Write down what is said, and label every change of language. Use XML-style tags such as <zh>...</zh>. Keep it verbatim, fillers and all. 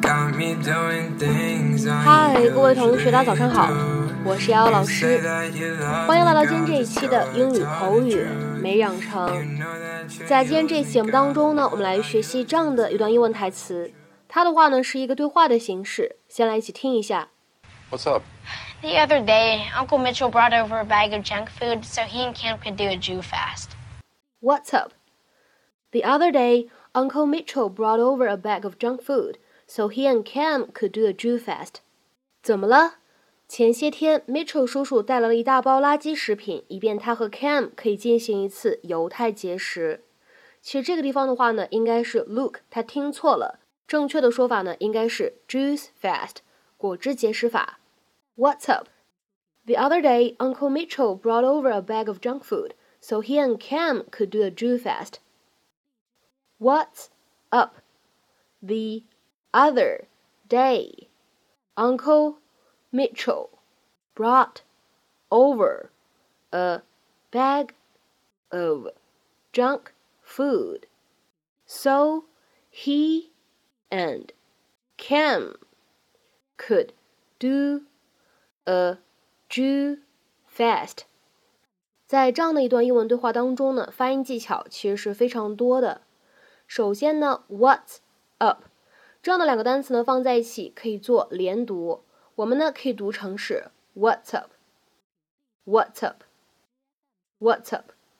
<en>Got me doing things I usually do.</en> <zh>嗨，各位同学，大家早上好，我是瑶瑶老师，欢迎来到今天这一期的英语口语没养成。在今天这期节目当中呢，我们来学习这样的一段英文台词，它的话呢是一个对话的形式，先来一起听一下。</zh> <en>What's up? The other day, Uncle Mitchell brought over a bag of junk food so he and Cam could do a Jew fast. What's up? The other day, Uncle Mitchell brought over a bag of junk food so he and Cam could do a Jew fast.</en> <zh>怎么了？前些天 Mitchell 叔叔带来了一大包垃圾食品，以便他和 Cam 可以进行一次犹太节食。其实这个地方的话呢，应该是 Luke 他听错了，正确的说法呢应该是 Jews fast 果汁节食法。</zh> <en>What's up? The other day, Uncle Mitchell brought over a bag of junk food, so he and Cam could do a Jew fast. What's up? The other day, Uncle Mitchell brought over a bag of junk food, so he and Cam could do. A Jew fast。</en> <zh>在这样的一段英文对话当中呢，发音技巧其实是非常多的。首先呢 What's up 这样的两个单词呢放在一起可以做连读，我们呢可以读成是</zh> <en>What's up What's up What's up。</en>